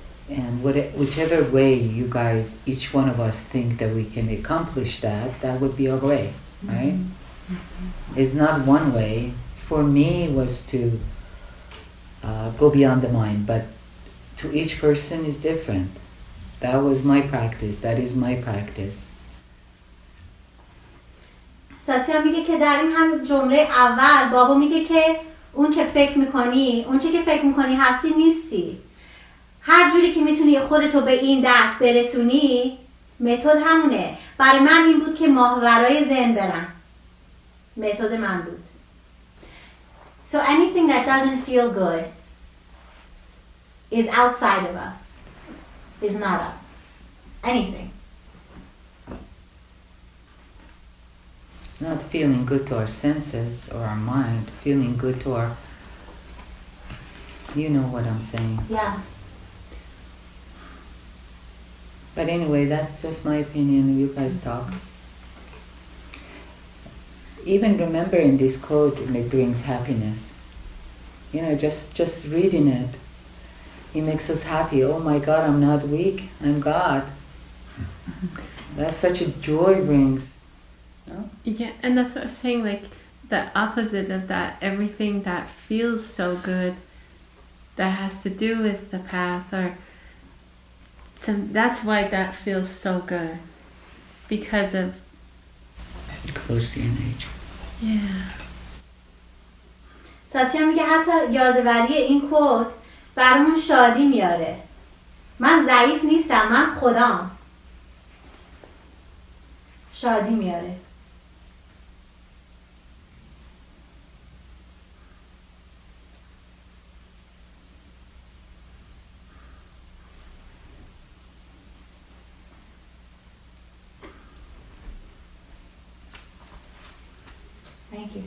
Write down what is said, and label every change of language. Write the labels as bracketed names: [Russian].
[English] And whichever way you guys, each one of us, think that we can accomplish that, that would be our way, right? Mm-hmm. It's not one way. For me was to go beyond the mind, but to each person is different. That was my practice, that is my practice. [Persian] ساتیا میگه که در این هم جمله اول بابا میگه که اون که فکر میکنی، اون چی که فکر میکنی هستی نیستی. هر جوری که میتونی خودتو به این درک برسونی، متد همونه. برای من این بود که ماهورای ذهن برم. متد من بود. [English] So anything that doesn't feel good is outside of us, is not us. Anything. Not feeling good to our senses or our mind, feeling good to our... You know what I'm saying. Yeah. But anyway, that's just my opinion. You guys talk. Even remembering this quote, it brings happiness. You know, just reading it, he makes us happy. Oh my God, I'm not weak, I'm God. That's such a joy brings. No? Yeah, and that's what I was saying, like, the opposite of that, everything that feels so good, that has to do with the path, or some, that's why that feels so good, because of... It goes to your nature. Yeah. [Persian] ساتیا میگه حتی یادآوری این کوت برامون شادی میاره من ضعیف نیستم من خودم شادی میاره [English] Thank you,